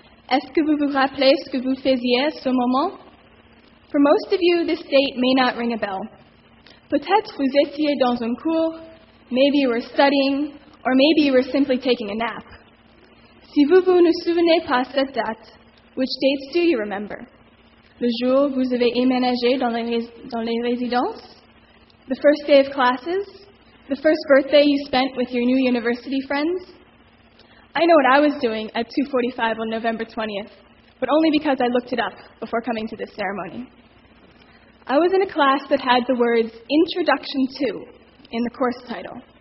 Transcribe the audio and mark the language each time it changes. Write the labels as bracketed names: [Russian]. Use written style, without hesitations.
[French] Est-ce que vous vous rappelez ce que vous faisiez ce moment? [English] For most of you, this date may not ring a bell. [French] Peut-être vous étiez dans un cours, [English] maybe you were studying, or maybe you were simply taking a nap. [French] Si vous vous ne souvenez pas cette date, [English] which dates do you remember? [French] Le jour vous avez éménagé dans les résidences? [English] The first day of classes? The first birthday you spent with your new university friends? I know what I was doing at 2:45 on November 20th, but only because I looked it up before coming to this ceremony. I was in a class that had the words Introduction to in the course title.